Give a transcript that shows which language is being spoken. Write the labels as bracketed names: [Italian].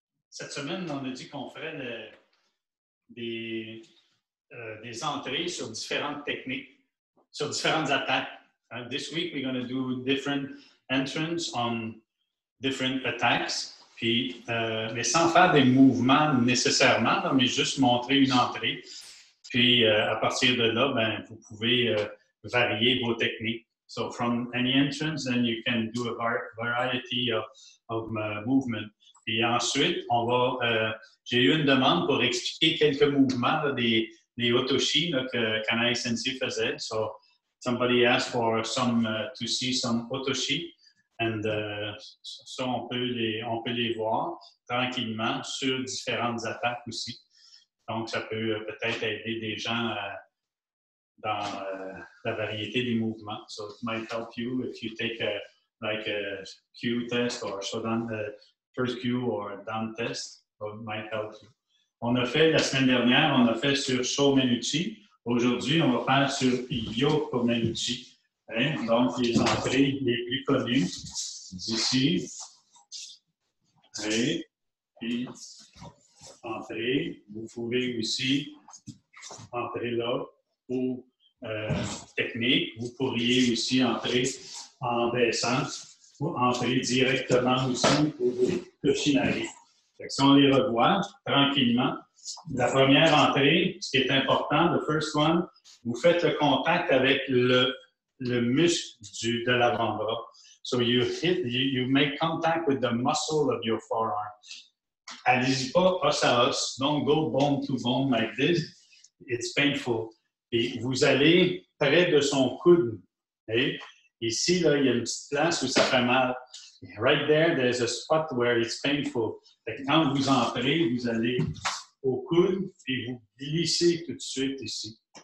[French] Cette semaine, on a dit qu'on ferait des entrées sur différentes techniques, sur différentes attaques. [English] This week, we're going to do different entrances on different attacks. [French] Puis, mais sans faire des mouvements nécessairement, non, mais juste montrer une entrée. Puis, à partir de là, ben, vous pouvez varier vos techniques. [English] So, from any entrance, then you can do a variety of movements. [French] Puis ensuite, on va. J'ai eu une demande pour expliquer quelques mouvements là, des otoshi là, que Kanai Sensei faisait. [English] So, somebody asked for some to see some otoshi. [French] And ça, on peut les voir tranquillement sur différentes attaques aussi. Donc, ça peut peut-être aider des gens dans la variété des mouvements. [English] So, it might help you if you take a Q test or Shodan, first Q or Dan test. So, it might help you. [French] On a fait, la semaine dernière, on a fait sur Shomenuchi. Aujourd'hui, on va faire sur Yokomenuchi. Hein? Donc, les entrées les plus connues d'ici. Et puis, entrée, vous pouvez aussi entrer là ou technique. Vous pourriez aussi entrer en baissant ou entrer directement aussi pour vous toucher. Si on les revoit tranquillement, la première entrée, ce qui est important, [English] the first one, [French] vous faites le contact avec le muscle de l'avant-bras. [English] So you hit, you make contact with the muscle of your forearm. [French] Allez-y pas os à os. [English] Don't go bone to bone like this. It's painful. [French] Et vous allez près de son coude. Okay? Ici, là, il y a une petite place où ça fait mal. [English] Right there, there's a spot where it's painful. [French] Et quand vous entrez, vous allez au coude et vous glissez tout de suite ici.